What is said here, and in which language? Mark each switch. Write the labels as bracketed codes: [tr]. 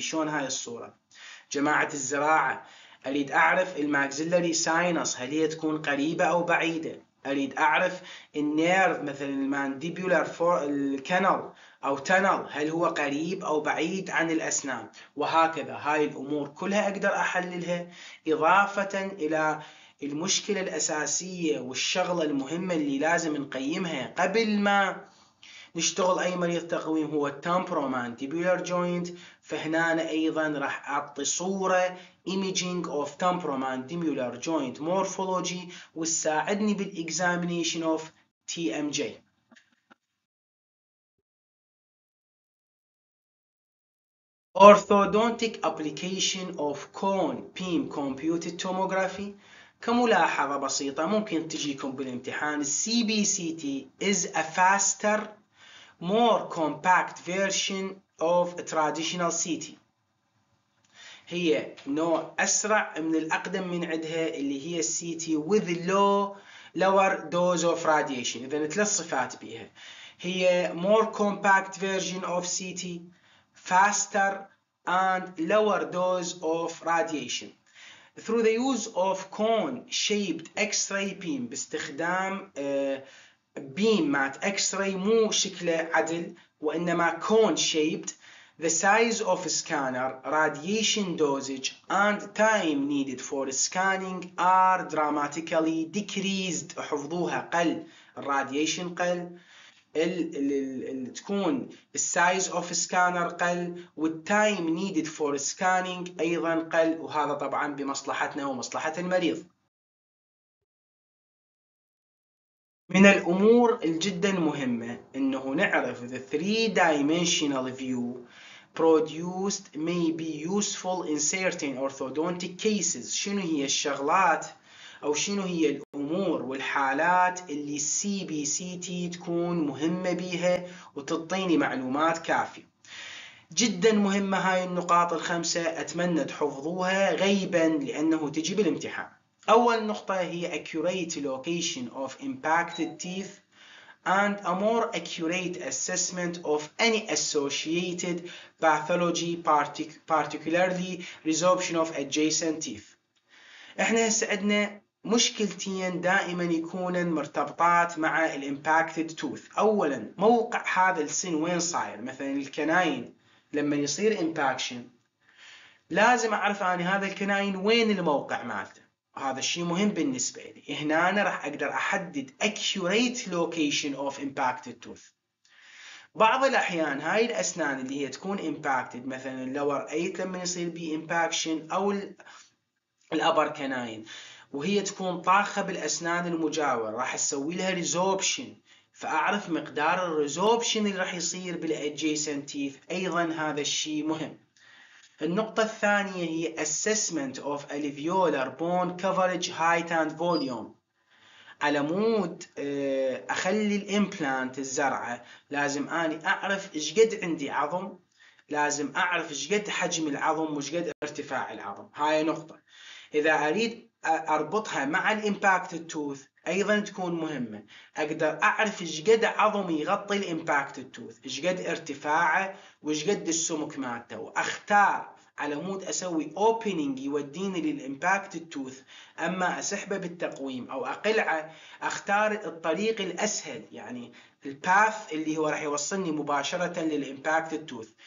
[ar] شلون هاي الصوره جماعه الزراعه، اريد اعرف الماكسيلري ساينس هل هي تكون قريبه او بعيده، اريد اعرف النيرف مثلا المانديبولار فور الكنال او تنل هل هو قريب او بعيد عن الاسنان، وهكذا. هاي الامور كلها اقدر احللها اضافه الى المشكلة الأساسية والشغلة المهمة اللي لازم نقيمها قبل ما نشتغل أي مريض تقويم هو temporomandibular joint. فهنا أيضا راح أعطي صورة [en] imaging of temporomandibular joint morphology [ar] وتساعدني بالexamination of TMJ. [en] Orthodontic application of cone beam computed tomography. [ar] كملاحظة بسيطة ممكن تجيكم بالامتحان، [en] CBCT is a faster, more compact version of a traditional CT. [ar] هي نوع أسرع من الأقدم من عدها اللي هي CT [en] with lower dose of radiation. [ar] إذا ثلاث صفات بيها، هي [en] more compact version of CT, faster and lower dose of radiation. Through the use of cone-shaped X-ray beam باستخدام beam مات X-ray [ar] مو شكله عدل وإنما [en] cone-shaped, the size of scanner, radiation dosage and time needed for scanning are dramatically decreased. [ar] حفظوها قل، radiation قل، الـ تكون [en] السايز of scanner [ar] قل [en] والتايم needed for scanning [ar] ايضا قل، وهذا طبعا بمصلحتنا ومصلحه المريض. من الامور الجدا مهمه انه نعرف [en] the three dimensional view produced may be useful in certain orthodontic cases. [ar] شنو هي الشغلات او شنو هي الامور والحالات اللي السي بي سي تي تكون مهمه بيها وتعطيني معلومات كافيه. جدا مهمه هاي النقاط الخمسه، اتمنى تحفظوها غيبا لانه تجي بالامتحان. اول نقطه هي [en] accurate location of impacted teeth. and a more accurate assessment of any associated pathology, particularly resorption of adjacent teeth. [ar] احنا هسه عندنا مشكلتين دائما يكونن مرتبطات مع الـ impacted tooth. اولا موقع هذا السن وين صاير، مثلا الكناين لما يصير impaction لازم اعرف انا هذا الكناين وين الموقع مالته، وهذا الشيء مهم بالنسبة لي. هنا أنا راح أقدر أحدد [en] accurate location of impacted tooth. [ar] بعض الأحيان هاي الأسنان اللي هي تكون impacted مثلا lower 8 لما يصير بي impaction أو الأبر كناين وهي تكون طاخة بالأسنان المجاورة، راح أسوي لها resorption فأعرف مقدار الresorption اللي راح يصير بالadjacent teeth. أيضا هذا الشيء مهم. النقطة الثانية هي [en] assessment of alveolar bone coverage height and volume. [ar] على مود أخلي الإمبلانت الزرعة لازم أني أعرف إيش قد عندي عظم، لازم أعرف إيش قد حجم العظم وإيش قد ارتفاع العظم. هاي نقطة إذا أريد أربطها مع الإمباكتد توث أيضا تكون مهمة، أقدر أعرف إيش قد عظم يغطي الإمباكتد توث، إيش قد ارتفاعه وإيش قد السمك مالته، وأختار على مود أسوي opening يوديني للimpacted tooth، أما أسحبه بالتقويم أو أقلعه أختار الطريق الأسهل، يعني الباث اللي هو راح يوصلني مباشرة للimpacted tooth.